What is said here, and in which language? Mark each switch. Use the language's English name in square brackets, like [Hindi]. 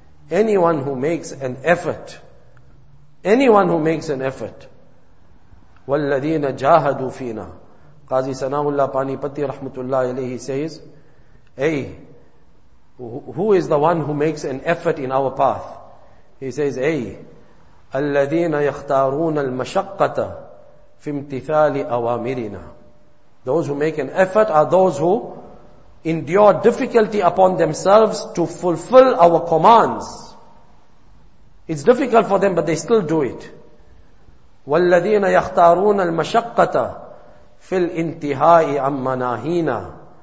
[English] Anyone who makes an effort, anyone who makes an effort, [Arabic] وَالَّذِينَ جَاهَدُوا فِينَا. [English] Qazi Sanaullah Panipati Rahmatullah Alayhi says, hey, who is the one who makes an effort in our path? He says, hey, [Arabic] الَّذِينَ يَخْتَارُونَ الْمَشَقَّةَ فِي امْتِثَالِ أَوَامِرِنَا. [English] Those who make an effort are those who endure difficulty upon themselves to fulfill our commands. It's difficult for them, but they still do it. [Arabic] وَالَّذِينَ يَخْتَارُونَ الْمَشَقَّةَ فِي الْإِنْتِهَاءِ عَمَّ نَاهِينَا.